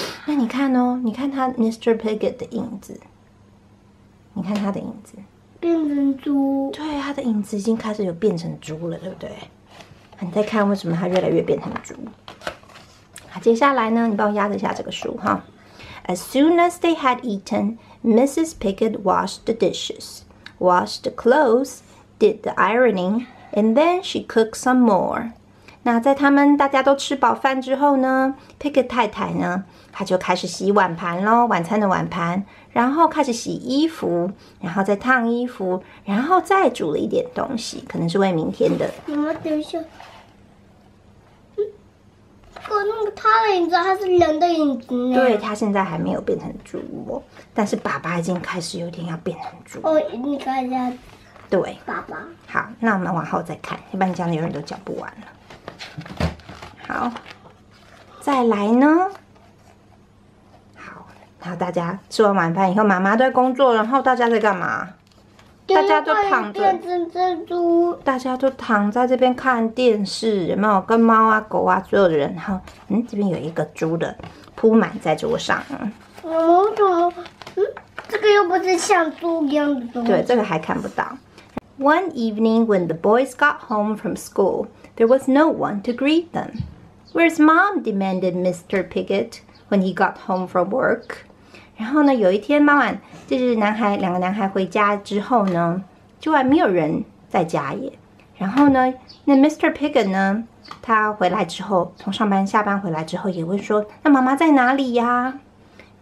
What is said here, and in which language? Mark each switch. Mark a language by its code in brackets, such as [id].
[zh] 那你看哦，你看他 Mr. Piggott 的影子，你看他的影子，变成猪。对，他的影子已经开始有变成猪了，对不对？你再看为什么他越来越变成猪。好，接下来呢，你帮我压着一下这个书哈。 [en] As soon as they had eaten, Mrs. Piggott washed the dishes, washed the clothes, did did the ironing, and then she cooked some more. [zh] 那在他们大家都吃饱饭之后呢 ，Pickett 太太呢，她就开始洗碗盘喽，晚餐的碗盘，然后开始洗衣服，然后再烫衣服，然后再煮了一点东西，可能是为明天的。妈妈，等一下。哦，那个他的影子还是人的影子呢？对，他现在还没有变成猪哦，但是爸爸已经开始有点要变成猪。哦，你看一下，对，爸爸。好，那我们往后再看，要不然你这样永远都讲不完了。好，再来呢。好，然后大家吃完晚饭以后，妈妈在工作，然后大家在干嘛？大家都躺着，变成蜘蛛。大家都躺在这边看电视，有没有？跟猫啊、狗啊，所有的人。然后，嗯，这边有一个猪的铺满在桌上。我怎么？这个又不是像猪一样的东西。对，这个还看不到。 [en] One evening when the boys got home from school, there was no one to greet them. "Where's mom?" demanded Mr. Pigott when he got home from work. [zh] 然后呢，有一天傍晚，就是男孩两个男孩回家之后呢，就还没有人在家耶。然后呢，那 Mr. Pigott 呢，他回来之后，从上班下班回来之后，也会说：“那妈妈在哪里呀？”